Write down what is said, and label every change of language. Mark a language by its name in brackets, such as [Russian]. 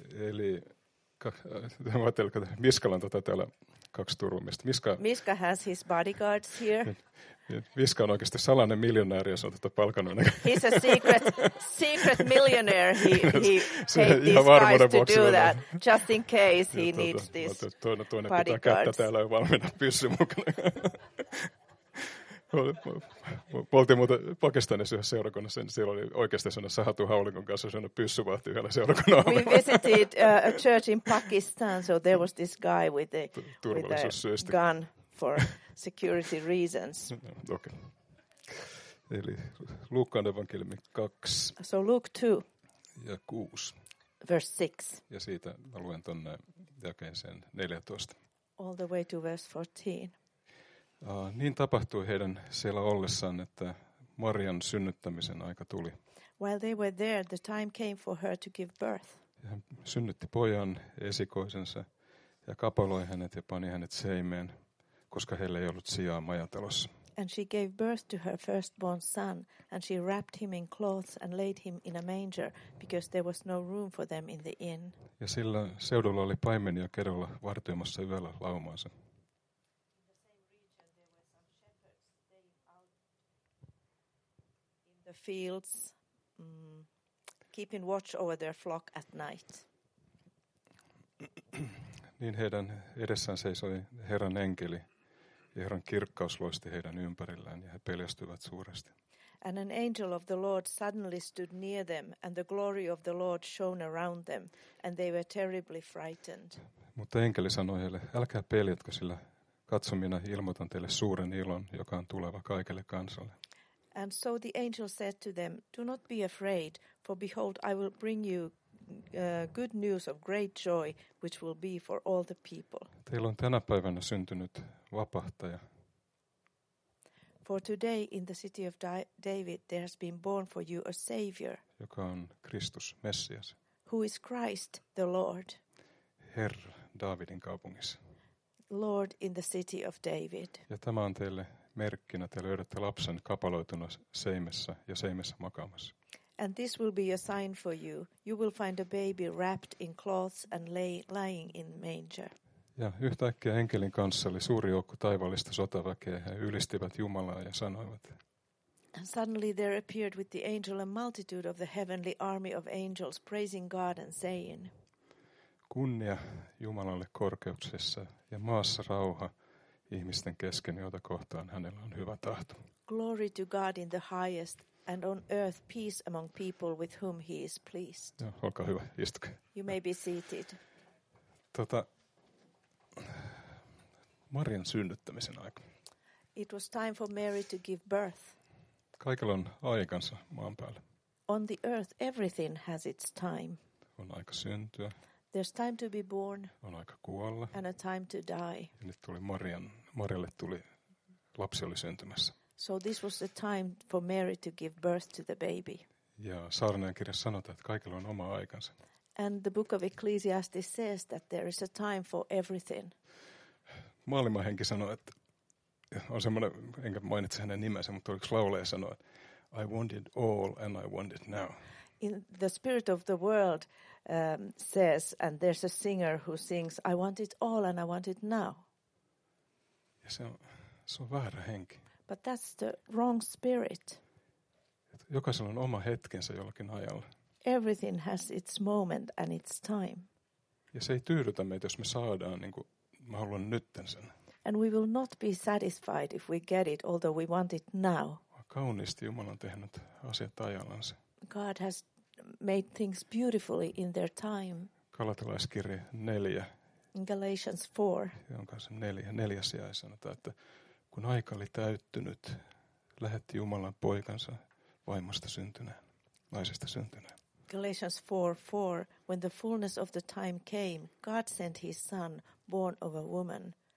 [Finnish] Eli ajatelko Miskalla on täällä kaksi turvamista. [English] Miska has his bodyguards here. [Finnish] Miska on oikeasti salainen miljonääri ja se on palkannut. [English] He's a secret millionaire. He paid these guys to do that just in case he needs this bodyguards. [Finnish] Toinen pitää kättä täällä jo valmiina pyssy mukana. Me oltiin muuten Pakistanissa yhdessä seurakunnassa, niin siellä oli oikeasti sellainen sahatun haulikon kanssa sellainen pyssyvahti yhdellä seurakunnalla. [English] We visited a church in Pakistan, so there was this guy with a, gun for security reasons. [Finnish] Okay. Eli Luukkaan evankeliumi 2. [English] So Luke 2. [Finnish] Ja 6. [English] Verse 6. [Finnish] Ja siitä mä luen tuonne jakeen sen 14. [English] All the way to verse 14. [Finnish] Niin tapahtui heidän siellä ollessaan, että Marian synnyttämisen aika tuli. [English] While they were there, the time came for her to give birth. [Finnish] Hän synnytti pojan esikoisensa ja kapaloi hänet ja pani hänet seimeen, koska heillä ei ollut sijaa majatalossa. [English] And she gave birth to her firstborn son, and she wrapped him in cloths and laid him in a manger, because there was no room for them in the inn. [Finnish] Ja sillä seudulla oli paimenia kerolla vartioimassa yöllä laumaansa. [English] Fields, keeping watch over their flock at night. [Finnish] Niin heidän edessään seisoi Herran enkeli, ja Herran kirkkaus loisti heidän ympärillään, ja he pelästyivät suuresti. [English] And an angel of the Lord suddenly stood near them, and the glory of the Lord shone around them, and they were terribly frightened. [Finnish] Mutta enkeli sanoi heille, älkää peljätkö, sillä katso, minä ilmoitan teille suuren ilon, joka on tuleva kaikille kansalle. [English] And so the angel said to them, do not be afraid, for behold, I will bring you good news of great joy, which will be for all the people. [Finnish] Teillä on tänä päivänä syntynyt vapahtaja. [English] For today in the city of David there has been born for you a savior. [Finnish] Joka on Kristus, Messias. [English] Who is Christ, the Lord. [Finnish] Herra Daavidin kaupungissa. [English] Lord in the city of David. [Finnish] Ja tämä on teille merkkinä, te löydätte lapsen kapaloituna seimessä ja seimessä makaamassa. [English] And this will be a sign for you. You will find a baby wrapped in cloths and lying in manger. [Finnish] Ja yhtäkkiä enkelin kanssa oli suuri joukko taivaallista sotaväkeä. He ylistivät Jumalaa ja sanoivat. [English] And suddenly there appeared with the angel a multitude of the heavenly army of angels praising God and saying. [Finnish] Kunnia Jumalalle korkeuksessa ja maassa rauha ihmisten kesken, joita kohtaan hänellä on hyvä tahto. [English] Glory to God in the highest, and on earth peace among people with whom he is pleased. [Finnish] Joo, olkaa hyvä, istukaa. [English] You may be seated. [Finnish] Marian synnyttämisen aika. [English] It was time for Mary to give birth. [Finnish] Kaikella on aikansa maan päällä. [English] On the earth everything has its time. [Finnish] On aika syntyä. [English] There's time to be born. [Finnish] On aika kuolla. [English] And a time to die. [Finnish] Ja nyt tuli Marialle tuli lapsi oli syntymässä. [English] So this was the time for Mary to give birth to the baby. [Finnish] Ja Saarnaajan kirjassa sanotaan, että kaikilla on oma aikansa. [English] And the book of Ecclesiastes says that there is a time for everything. [Finnish] Maailman henki sanoi, että on semmoinen, enkä mainitse hänen nimensä, mutta yksi laulaja sanoi, [English] I want it all and I want it now. In the spirit of the world says, and there's a singer who sings, I want it all and I want it now. [Finnish] Ja se on väärä henki. [English] But that's the wrong spirit. [Finnish] Jokaisella on oma hetkensä jollakin ajalla. [English] Everything has its moment and its time. [Finnish] Ja se ei tyydytä meitä, jos me saadaan, niin kuin mä haluan nytten sen. [English] And we will not be satisfied if we get it, although we want it now. [Finnish] Kauniisti Jumala on tehnyt asiat ajallansa. [English] God has made things beautifully in their time. [Finnish] Galatalaiskirje 4. [English] In Galatians 4. [Finnish] Jonka se neljä sijaa sanotaan, että kun aika oli täyttynyt, lähetti Jumalan poikansa vaimosta syntyneen, naisesta syntyneen. [English] Galatians 4:4, when the fullness of the time came, God sent his son, born of a woman.